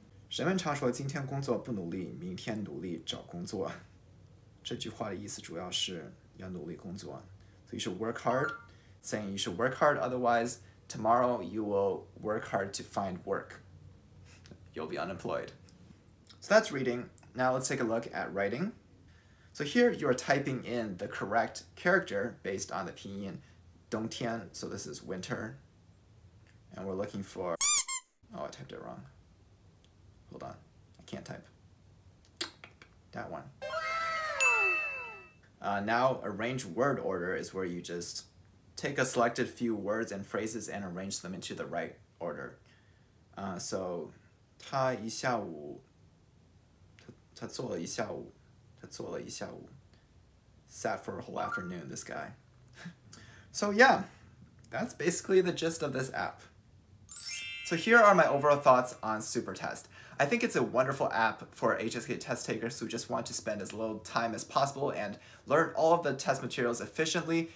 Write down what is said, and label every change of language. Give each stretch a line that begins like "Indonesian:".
Chinese: 人们常说今天工作不努力,明天努力找工作。这句话的意思主要是要努力工作。
English: So you should work hard. Saying you should work hard, otherwise, tomorrow you will work hard to find work. You'll be unemployed. So that's reading. Now let's take a look at writing. So here you are typing in the correct character based on the pinyin 冬天, so this is winter. And we're looking for... Oh, I typed it wrong. Hold on, I can't type. That one. Now arrange word order is where you justTake a selected few words and phrases and arrange them into the right order. So,
Chinese: 他一下午, 他坐了一下午, 他坐了一下午,
English: sat for a whole afternoon, this guy. So yeah, that's basically the gist of this app. So here are my overall thoughts on SuperTest. I think it's a wonderful app for HSK test takers who just want to spend as little time as possible and learn all of the test materials efficiently.